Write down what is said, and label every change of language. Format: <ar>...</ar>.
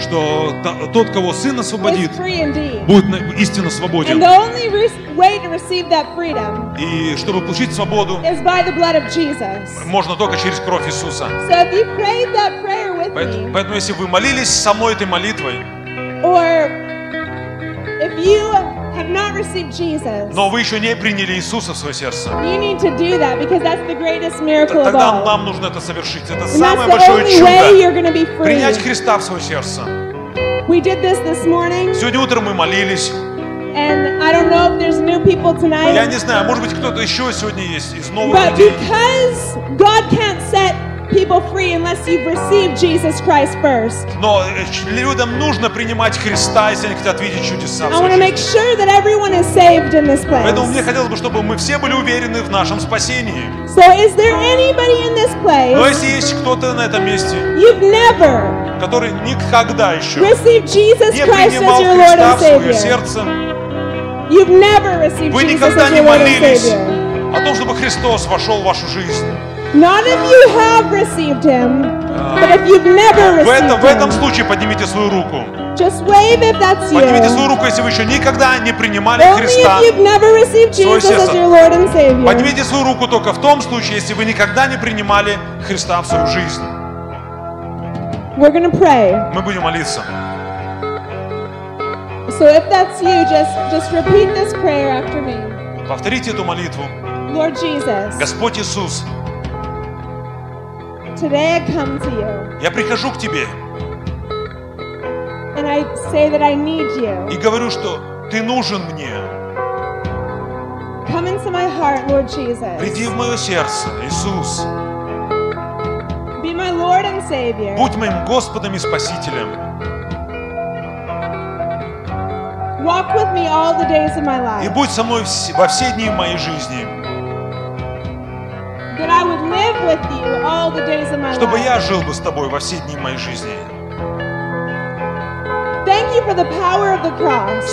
<ru>Что тот, кого Сын освободит,</ru> <en>is free indeed.</en> <ru>Будет истинно свободен.</ru> <en>And the only way to receive that freedom.</en> <ru>И чтобы получить свободу.</ru> <en>Is by the blood of Jesus.</en> <ru>Можно только через кровь Иисуса.</ru> <en>So if you prayed that prayer with me.</en> <ru>Поэтому если вы молились со мной этой молитвой.</ru> <en>Or if you have not received Jesus,</en> <ru>но вы еще не приняли Иисуса в свое сердце,</ru> <en>you need to do that because that's the greatest miracle of all.</en> <ru>Тогда нам нужно это совершить. Это самое большое чудо. Принять Христа в свое сердце.</ru> <en>We did this this morning.</en> <ru>Сегодня утром мы молились.</ru> <en>And I don't know if there's new people tonight.</en> <ru>Я не знаю, может быть, кто-то еще сегодня есть из новых</ru> <en>but</en> <ru>людей.</ru> <en>But because God can't set people free unless you've received Jesus Christ first.</en> <ru>Но людям нужно принимать Христа, если они хотят видеть чудеса.</ru> <en>I want to make sure that everyone is saved in this place.</en> <ru>Поэтому мне хотелось бы, чтобы мы все были уверены в нашем спасении.</ru> <en>So is there anybody in this place?</en> <ru>Но если есть кто-то на этом месте,</ru> <en>you've never,</en> <ru>который никогда еще,</ru> <en>received Jesus Christ as your Lord and Savior. You've never received Jesus as your Lord and Savior.</en> <ru>Вы никогда не молились о том, чтобы Христос вошел в вашу жизнь.</ru> <en>Not if you have received him, but if you've never received him.</en> <ru>В этом случае поднимите свою руку.</ru> <en>Just wave if that's you.</en> <ru>Поднимите свою руку, если вы еще никогда не принимали Христа.</ru> <en>Only if you've never received Jesus as your Lord and Savior.</en> <ru>Поднимите свою руку только в том случае, если вы никогда не принимали Христа в свою жизнь.</ru> <en>We're gonna pray.</en> <ru>Мы будем молиться.</ru> <en>So if that's you, just repeat this prayer after me.</en> <ru>Повторите эту молитву.</ru> <en>Lord Jesus.</en> <ru>Господь Иисус.</ru> <en>Today I come to you.</en> <ru>Я прихожу к тебе.</ru> <en>And I say that I need you.</en> <ru>И говорю, что ты нужен мне.</ru> <en>Come into my heart, Lord Jesus.</en> <ru>Приди в мое сердце, Иисус.</ru> <en>Be my Lord and Savior.</en> <ru>Будь моим Господом и Спасителем.</ru> <en>Walk with me all the days of my life.</en> <ru>И будь со мной во все дни моей жизни.</ru> <en>That I would live with you all the days of my life.</en> <ru>Чтобы я жил бы с тобой во все дни моей жизни.</ru> <en>Thank you for the power of the cross.</en>